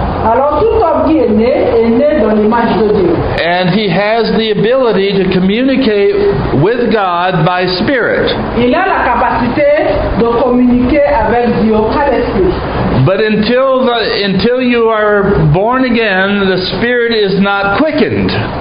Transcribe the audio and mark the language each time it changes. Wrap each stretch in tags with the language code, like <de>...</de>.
<fr>Alors tout homme qui est né dans l'image de Dieu.</fr> <en>And he has the ability to communicate with God by Spirit.</en> <fr>Il a la capacité de communiquer avec Dieu par l'Esprit.</fr> <en>But until you are born again, the Spirit is not quickened.</en>